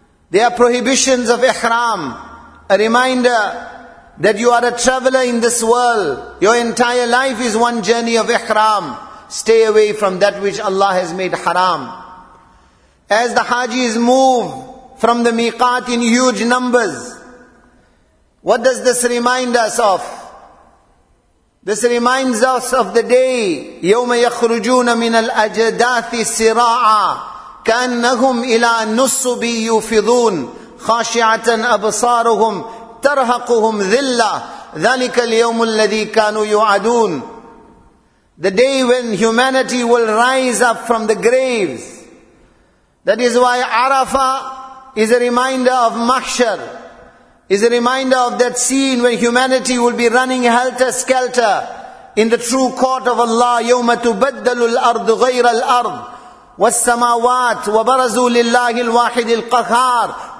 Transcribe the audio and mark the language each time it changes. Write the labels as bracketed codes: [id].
[en] There are prohibitions of ihram. A reminder that you are a traveler in this world. Your entire life is one journey of ihram. Stay away from that which Allah has made haram. As the hajis move from the miqat in huge numbers, what does this remind us of? This reminds us of the day, [ar] يَوْمَ يَخْرُجُونَ مِنَ الْأَجَدَاثِ سِرَاعًا كَأَنَّهُمْ إِلَىٰ نُصُبِ يُفِضُونَ خَاشِعَةً أَبْصَارُهُمْ تَرْهَقُهُمْ ذِلَّةً ذَلِكَ الْيَوْمُ الَّذِي كَانُوا يُعَدُونَ. [en] The day when humanity will rise up from the graves. That is why Arafah is a reminder of Mahshar. Is a reminder of that scene when humanity will be running helter-skelter in the true court of Allah. [ar] يَوْمَ تُبَدَّلُ الْأَرْضُ غَيْرَ الْأَرْضِ وَالسَّمَاوَاتِ وَبَرَزُوا لِلَّهِ الْوَاحِدِ الْقَهَارِ.